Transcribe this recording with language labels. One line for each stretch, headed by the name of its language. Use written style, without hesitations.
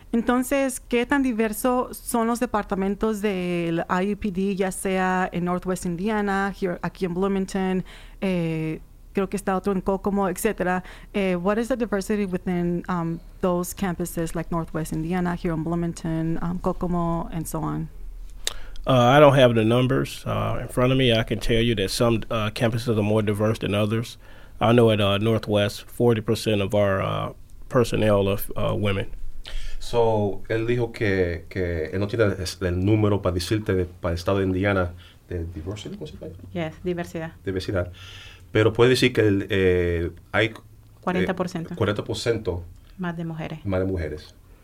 Spanish: Entonces, ¿qué tan diverso son los departamentos del IUPD, ya sea en Northwest Indiana, aquí en Bloomington, creo que está otro en Kokomo, etcétera?
English: What is the diversity within those campuses like Northwest Indiana, here in Bloomington, Kokomo, and so on? I don't have the numbers in front of me. I can tell you that some campuses are more diverse than others. I know at Northwest, 40% of our personnel are women.
Spanish: So, él dijo que él no tiene el número para decirte para el estado de Indiana de diversidad, ¿cómo se llama? Yes, diversidad. Diversidad. Pero puede decir que hay 40%. 40% más de mujeres. Más de mujeres.